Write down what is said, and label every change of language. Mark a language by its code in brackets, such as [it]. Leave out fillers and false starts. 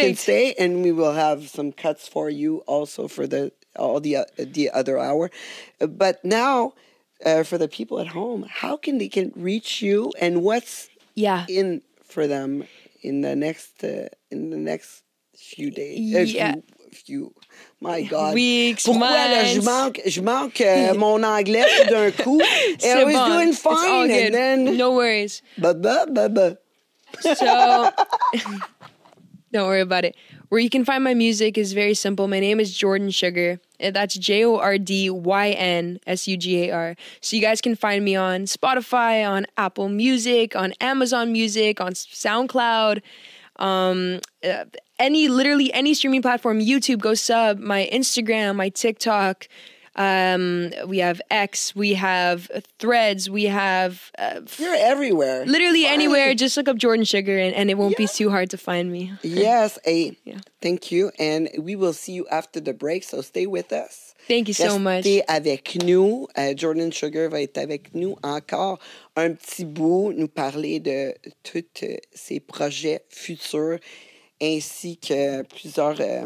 [en] They can stay, and we will have some cuts for you also for the other hour. But now, for the people at home, how can they can reach you, and what's in for them in the next few weeks, [fr] pourquoi [en] months. [fr] Là, je manque mon anglais tout d'un coup. [en] And I was doing fine, it's all good. And then no worries. Bah. So don't worry about it. Where you can find my music is very simple. My name is Jordan Sugar. That's JordynSugar. So you guys can find me on Spotify, on Apple Music, on Amazon Music, on SoundCloud, any streaming platform. YouTube, go sub. My Instagram, my TikTok. We have X, we have Threads, we have... You're everywhere. Literally anywhere. Just look up Jordan Sugar and it won't be too hard to find me. Yes. Thank you. And we will see you after the break. So stay with us. Thank you so much. [fr] Restez avec nous. Jordan Sugar va être avec nous encore un petit bout, nous parler de tous ses projets futurs ainsi que plusieurs...